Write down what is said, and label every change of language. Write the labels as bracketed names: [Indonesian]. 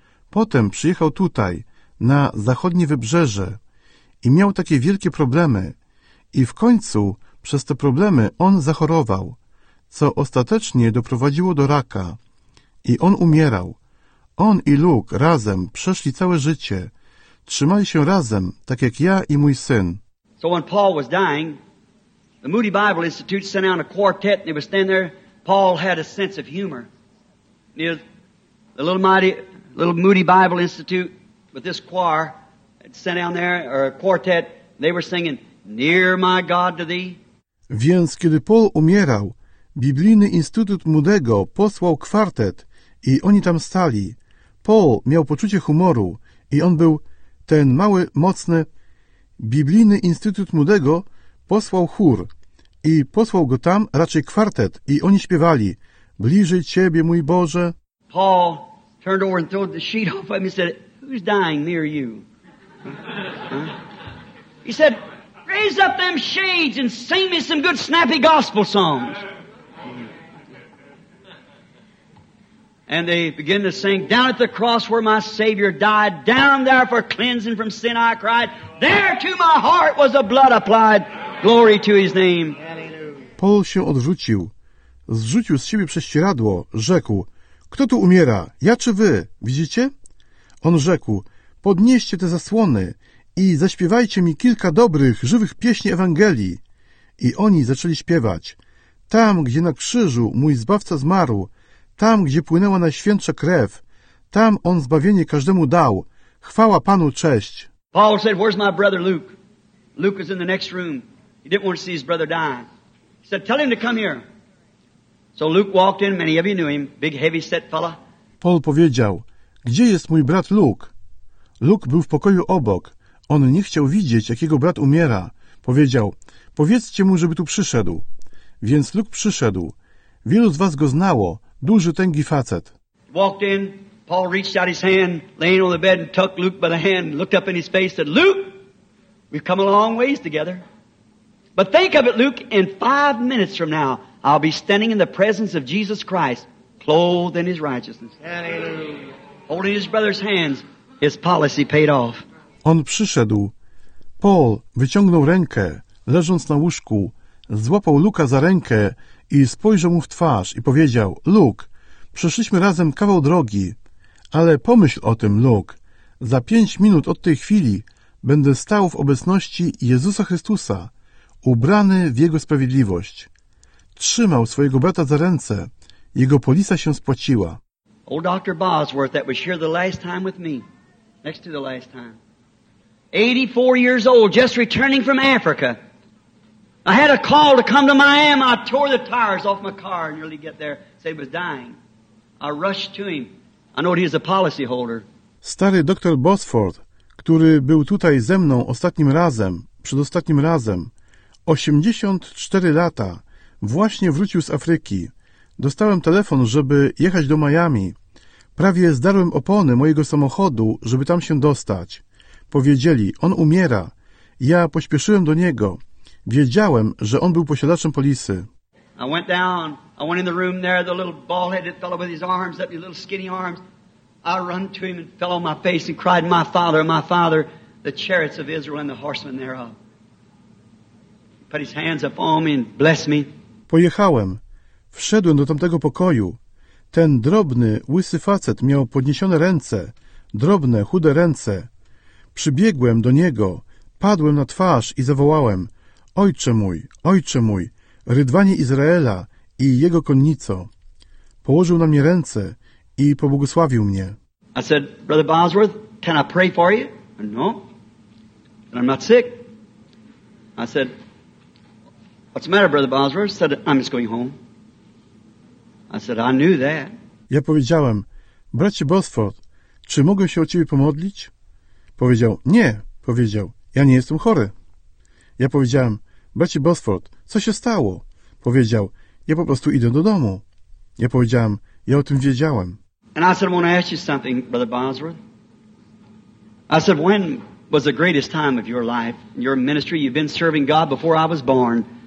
[Polish] Potem przyjechał tutaj, na zachodnie wybrzeże i miał takie wielkie problemy. I w końcu przez te problemy on zachorował, co ostatecznie doprowadziło do raka. I on umierał. On i Luke razem przeszli całe życie. Trzymali się razem, tak jak ja i mój syn. [English] So when Paul was dying, the Moody Bible Institute sent out a quartet and they were standing there. Paul had a sense of humor. The little Moody Bible Institute with this choir had sent down there, or a quartet, they were singing, Near my God to thee. [Polish] Więc kiedy Paul umierał, Biblijny Instytut Moody'ego posłał kwartet i oni tam stali. Paul miał poczucie humoru i on był ten mały, mocny, Biblijny Instytut Moody'ego posłał chór i posłał go tam, raczej kwartet, i oni śpiewali Bliżej Ciebie, mój Boże. [English] Paul turned over and threw the sheet off him and said, who's dying near you? He said, raise up them shades and sing me some good snappy gospel songs. And they begin to sing, down at the cross where my Savior died, down there for cleansing from sin I cried, there to my heart was the blood applied, glory to his name. [Polish] Paul się odrzucił, zrzucił z siebie prześcieradło, rzekł, kto tu umiera, ja czy wy, widzicie? On rzekł, podnieście te zasłony i zaśpiewajcie mi kilka dobrych, żywych pieśni Ewangelii. I oni zaczęli śpiewać. Tam, gdzie na krzyżu mój Zbawca zmarł, tam, gdzie płynęła najświętsza krew, tam On zbawienie każdemu dał. Chwała Panu, cześć. [English] Paul said, where's my brother Luke? Luke was in the next room. He didn't want to see his brother die. He said, tell him to come here. So Luke walked in, many of you knew him, big heavy set fella. [Polish] Paul powiedział, gdzie jest mój brat Luke? Luke był w pokoju obok. On nie chciał widzieć, jak jego brat umiera. Powiedział, powiedzcie mu, żeby tu przyszedł. Więc Luke przyszedł. Wielu z was go znało, duży, tęgi facet. [English] Walked in, Paul reached out his hand, laying on the bed and tucked Luke by the hand, looked up in his face, said, Luke, we've come a long ways together. But think of it, Luke, in 5 minutes from now, I'll be standing in the presence of Jesus Christ, clothed in his righteousness. Hallelujah. Holding his brother's hands, his policy paid off. [Polish] On przyszedł. Paul wyciągnął rękę, leżąc na łóżku, złapał Luka za rękę i spojrzał mu w twarz i powiedział, Luke, przeszliśmy razem kawał drogi, ale pomyśl o tym, Luke, za 5 minut od tej chwili będę stał w obecności Jezusa Chrystusa, ubrany w Jego sprawiedliwość. Trzymał swojego brata za ręce. Jego polisa się spłaciła. [English] Old Dr. Bosworth, that was here the last time with me. Next to the last time. 84 years old, just returning from Africa. I had a call to come to Miami. I tore the tires off my car and nearly get there. Said he was dying. I rushed to him. I know he is a policy holder. [Polish] Stary Dr. Bosworth, który był tutaj ze mną ostatnim razem, przedostatnim razem, 84 lata, właśnie wrócił z Afryki. Dostałem telefon, żeby jechać do Miami. Prawie zdarłem opony mojego samochodu, żeby tam się dostać. Powiedzieli, on umiera. Ja pośpieszyłem do niego. Wiedziałem, że on był posiadaczem polisy. [English] I went down. I went in the room there, the little bald-headed fellow with his arms up, his little skinny arms. I run to him and fell on my face and cried, my father, the chariots of Israel and the horsemen thereof. Put his hands upon me and blessed me. [Polish] Pojechałem. Wszedłem do tamtego pokoju. Ten drobny, łysy facet miał podniesione ręce. Drobne, chude ręce. Przybiegłem do niego. Padłem na twarz i zawołałem. Ojcze mój, Rydwanie Izraela i jego konnico. Położył na mnie ręce i pobłogosławił mnie. [English] I said, Brother Bosworth, can I pray for you? No. And I'm not sick. I said, what's the matter, Brother Bosworth? Said, I'm just going home. I said, I knew that. [Polish] Ja powiedziałem, bracie Bosworth, czy mogę się o ciebie pomodlić? Powiedział, nie, powiedział, ja nie jestem chory. Ja powiedziałem, bracie Bosworth, co się stało? Powiedział, ja po prostu idę do domu. Ja powiedziałem, ja o tym wiedziałem. [English] And I said, I want to ask you something, Brother Bosworth. I said, when was the greatest time of your life, your ministry? You've been serving God before I was born.